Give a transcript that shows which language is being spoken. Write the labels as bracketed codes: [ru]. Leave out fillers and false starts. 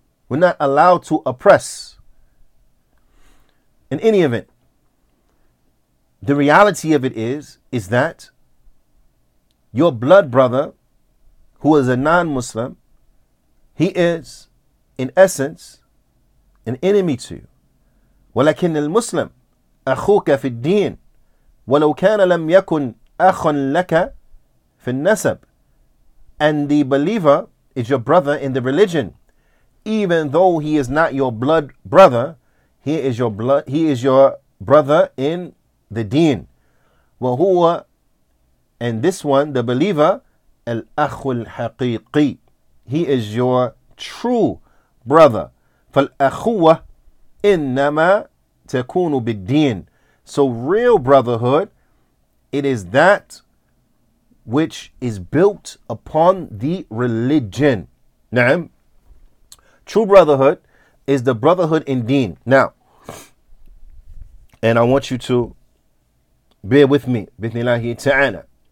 [en] We're not allowed to oppress. In any event, the reality of it is that your blood brother, who is a non-Muslim, he is, in essence, an enemy to you. [ar] ولكن المسلم أخوك في الدين ولو كان لم يكن أخا لك في النسب. [en] And the believer is your brother in the religion, even though he is not your blood brother, he is your brother in the deen. وهو, and this one, the believer, [ar] الأخ الحقيقي, [en] he is your true brother. [ar] فالأخوة إنما تكون بالدين. [en] So real brotherhood, it is that which is built upon the religion. نعم. True brotherhood is the brotherhood in deen. Now, and I want you to bear with me, [ar] بإذن الله تعالى.